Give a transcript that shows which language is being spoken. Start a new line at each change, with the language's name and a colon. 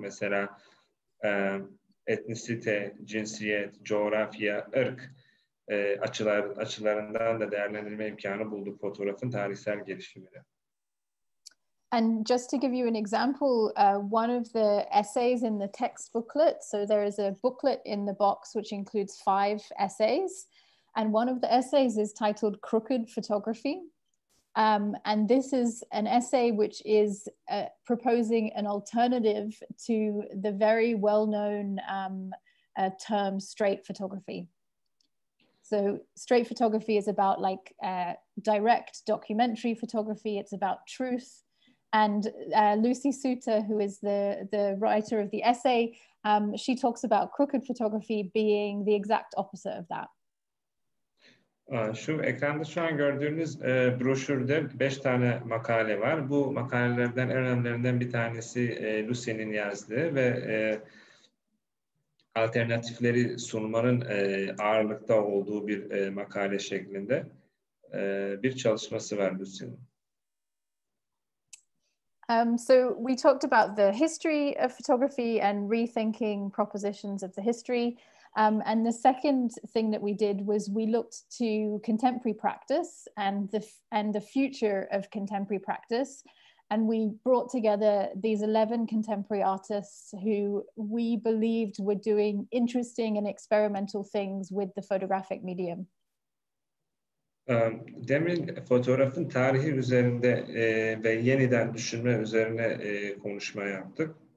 Turkish: Mesela etnisite, cinsiyet, coğrafya, ırk açılarından da değerlendirme imkanı bulduk fotoğrafın tarihsel gelişimini.
English: And just to give you an example, one of the essays in the text booklet, so there is a booklet in the box which includes 5 essays, and one of the essays is titled Crooked Photography. And this is an essay which is proposing an alternative to the very well-known term straight photography. So straight photography is about like direct documentary photography. It's about truth. And Lucy Suter, who is the writer of the essay, she talks about crooked photography being the exact opposite of that.
Turkish: Şu ekranda şu an gördüğünüz broşürde 5 tane makale var. Bu makalelerden en önemlilerinden bir tanesi Lucy'nin yazdığı ve alternatifleri sunmanın ağırlıkta olduğu bir makale şeklinde bir çalışması var Lucy'nin.
English: So we talked about the history of photography and rethinking propositions of the history. And the second thing that we did was we looked to contemporary practice and the future of contemporary practice. And we brought together these 11 contemporary artists who we believed were doing interesting and experimental things with the photographic medium.
Turkish: Demin fotoğrafın tarihi üzerinde ve yeniden düşünme üzerine konuşma yaptık.